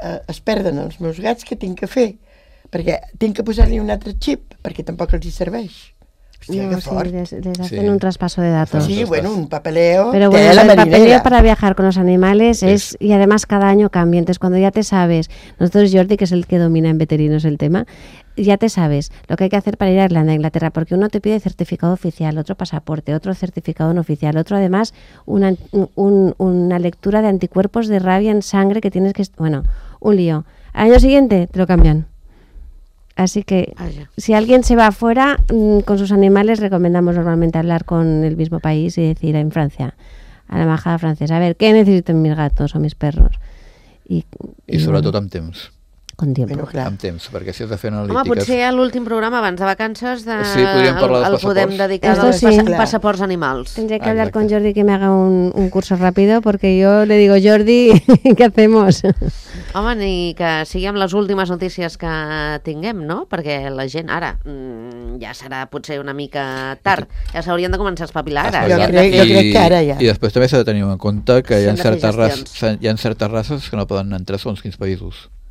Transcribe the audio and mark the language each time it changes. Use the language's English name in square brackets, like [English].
[Catalan] es perden els meus gats, què tinc que fer? Perquè tinc que posar-li un altre xip, perquè tampoc els hi serveix. Hòstia, que fort. [Spanish] Les hacen un traspaso de datos. Sí, bueno, un papeleo. Pero bueno, el papeleo para viajar con los animales es, y además cada año cambia. Entonces, cuando ya te sabes, nosotros Jordi, que es el que domina en veterinos el tema, ya te sabes lo que hay que hacer para ir a Irlanda, a Inglaterra, porque uno te pide certificado oficial, otro pasaporte, otro certificado no oficial, otro además una lectura de anticuerpos de rabia en sangre que tienes que... Bueno, un lío. Al año siguiente te lo cambian. Así que si alguien se va afuera con sus animales, recomendamos normalmente hablar con el mismo país y decir en Francia, a la embajada francesa, a ver, ¿qué necesitan mis gatos o mis perros? [Catalan] I sobretot amb temps. [Spanish] Con tiempo. [Catalan] Bueno, clar. Amb temps, perquè si has de fer analítiques... Home, potser a l'últim programa, abans de vacances, de... Sí, podríem parlar dels passaports. El podem dedicar als passaports animals. Tindré [Spanish] que hablar con Jordi que me haga un curso rápido, porque yo le digo, Jordi, ¿qué hacemos? [Catalan] Home, ni que sigui amb les últimes notícies que tinguem, no? Perquè la gent, ara, ja serà potser una mica tard. Ja s'haurien de començar a espavilar ara. Jo crec que ara ja. I després també s'ha de tenir en compte que hi ha certes races que no poden entrar segons quins països.